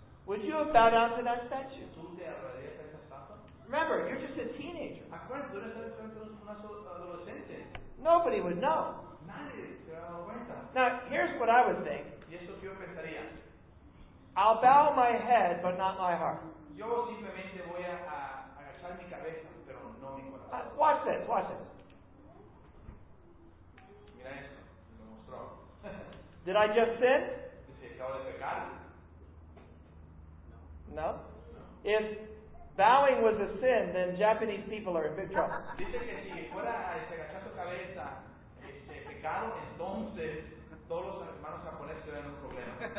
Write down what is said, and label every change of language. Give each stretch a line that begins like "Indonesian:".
English: Would you have bowed down to that statue?
Spanish: ¿Tú te arrodillarías a esa estatua?
English: Remember, you're just a teenager.
Spanish: Acuérdate, tú eres un adolescente.
English: Nobody would know.
Spanish: Nadie se daba cuenta.
English: Now, here's what I would think.
Spanish: Y eso que yo pensaría.
English: I'll bow my head, but not my heart.
Spanish: Yo simplemente voy a agachar mi cabeza, pero no mi corazón.
English: Watch this, watch this.
Spanish: Mira esto, lo mostró.
English: Did I just sin?
Spanish: ¿Se acabó de pecar?
English: No. If bowing was a sin, then Japanese people are in big trouble.
Spanish: Dice que si fuera a agachar su cabeza, pecado, entonces todos los hermanos japoneses tendrían un problema.